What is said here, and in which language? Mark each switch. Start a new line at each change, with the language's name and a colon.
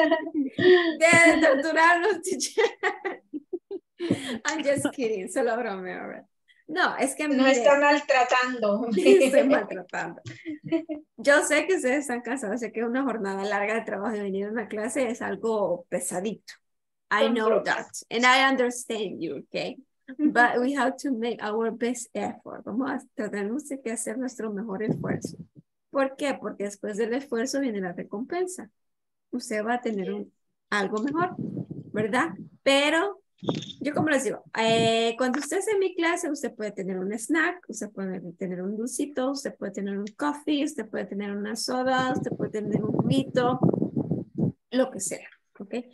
Spanish: Debe torturarnos, teacher.
English: I'm just kidding,
Spanish: solo bromeo. No, es que no está maltratando. Estoy maltratando. Yo sé que ustedes están cansados, sé que una jornada larga de trabajo y venir a una clase es algo pesadito.
English: I know that. And I understand you, okay? But we have to make our best effort.
Spanish: Vamos a tenemos que hacer nuestro mejor esfuerzo. ¿Por qué? Porque después del esfuerzo viene la recompensa. Usted va a tener algo mejor, ¿verdad? Pero yo como les digo, cuando usted está en mi clase, usted puede tener un snack, usted puede tener un dulcito, usted puede tener un coffee, usted puede tener una soda, usted puede tener un juguito, lo que sea, ¿ok?